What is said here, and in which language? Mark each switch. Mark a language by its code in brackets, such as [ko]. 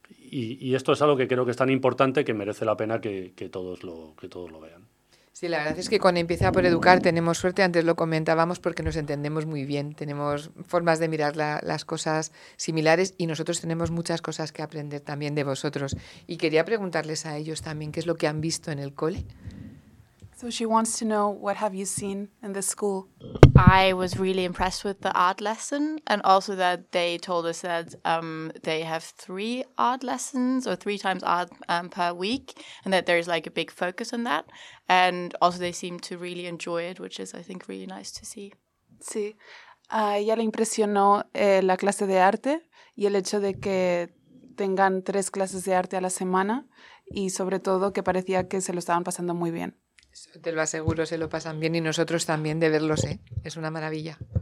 [es] Y esto es algo que creo que es tan importante que merece la pena que todos lo vean. Sí, la verdad es que cuando empieza por educar tenemos suerte, antes lo comentábamos, porque nos entendemos muy bien, tenemos formas de mirar las cosas similares y nosotros tenemos muchas cosas que aprender también de vosotros. Y quería preguntarles a ellos también qué es lo que han visto en el cole. [en] So she wants to know, what have you seen in the school? I was really impressed with the art lesson, and also that they told us that they have 3 art lessons, or 3 times art per week, and that there's like a big focus on that. And also they seem to really enjoy it, which is, I think, really nice to see. [es] Sí. A ella le impresionó la clase de arte y el hecho de que tengan 3 clases de arte a la semana, y sobre todo que parecía que se lo estaban pasando muy bien. Te lo aseguro, se lo pasan bien y nosotros también de verlos, ¿eh? Es una maravilla.